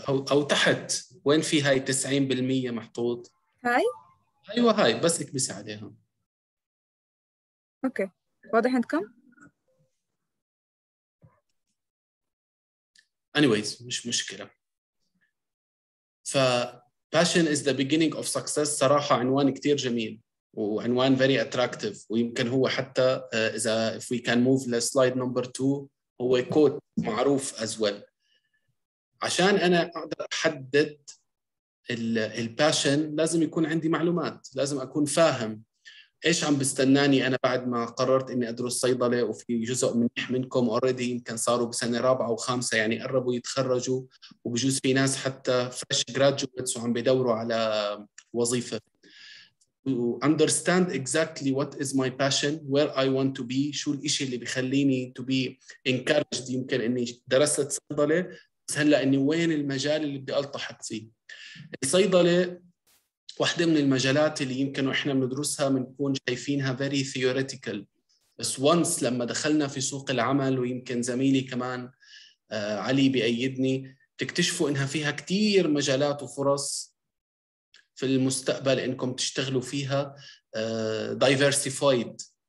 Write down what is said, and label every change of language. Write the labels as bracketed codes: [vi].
[ar] او تحت وين في هاي 90% محطوط؟ هاي ايوه هاي، بس اكبس عليها. اوكي واضح عندكم؟ Anyways, مش مشكلة. [en] ف passion is the beginning of success [ar] صراحة عنوان كتير جميل وعنوان [en] very attractive, [ar] ويمكن هو حتى إذا [en] if we can move the slide number two هو quote معروف as well. [ar] عشان أنا أقدر أحدد ال passion لازم يكون عندي معلومات, لازم أكون فاهم إيش عم بستناني أنا بعد ما قررت إني أدرس صيدلة. وفي جزء منيح منكم already يمكن صاروا بسنة رابعة أو خامسة يعني قربوا يتخرجوا, وبجوز في ناس حتى fresh graduates وعم بيدوروا على وظيفة. [en] Understand exactly what is my passion, where I want to be, [ar] شو الإشي اللي بخليني [en] to be encouraged. [ar] يمكن إني درست صيدلة بس هلأ إني وين المجال اللي بدي ألتحق فيه. الصيدلة واحدة من المجالات اللي يمكن وإحنا بندرسها بنكون شايفينها [en] very theoretical, [ar] بس once لما دخلنا في سوق العمل, ويمكن زميلي كمان علي بيأيدني, تكتشفوا إنها فيها كتير مجالات وفرص في المستقبل إنكم تشتغلوا فيها diversified.